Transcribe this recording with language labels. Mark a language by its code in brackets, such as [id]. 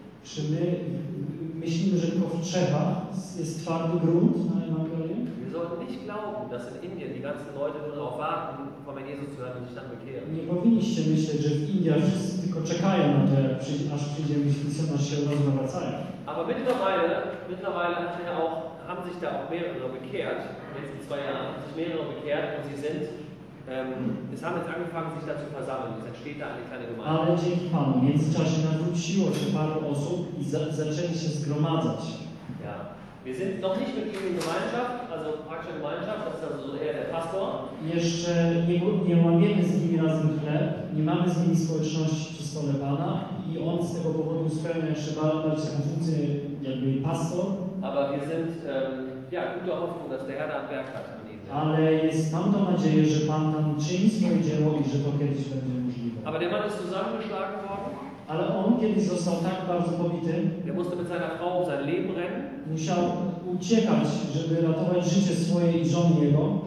[pl] Czy my myślimy, że tylko w Czechach jest twardy grunt na Ewangelię? [de] sollten nicht glauben, dass in Indien die ganzen Leute nur darauf warten, von Herrn Jesus zu hören und sich dann bekehren. [pl] Nie powinniście myśleć, że w Indiach wszyscy tylko czekają na to, aż przyjdzie misjonarz się rozmawacają. [de] Aber mittlerweile haben sich da auch mehrere bekehrt, jetzt in 2 Jahren, sich mehrere bekehrt und sie sind, es haben jetzt angefangen, sich da zu versammeln, es entsteht da eine kleine Gemeinde. [pl] Ale dzięki Panu, w międzyczasie nawróciło się paru osób i zaczęli się zgromadzać. [de] Ja. Wir sind noch nicht mit ihm in Gemeinschaft, also praktische Gemeinschaft, das ist also so eher der Pastor. [pl] Jeszcze nie łamiemy z nimi razem chleb, nie mamy z nimi społeczności przy stole Pana i on z tego powodu spełnia jeszcze bardziej funkcję jakby pastor. [de] Aber wir sind, ja, gute Hoffnung, dass der Herr da am Werk hat. [pl] Ale jest tam to nadzieję, że Pan tam czyni swoje dzieło i że to kiedyś będzie możliwe. [de] Aber der Mann ist zusammengeschlagen worden. [pl] Ale on kiedyś został tak bardzo pobity. [de] Er musste mit seiner Frau um sein Leben rennen. [pl] Musiał uciekać, żeby ratować życie swoje i żony jego.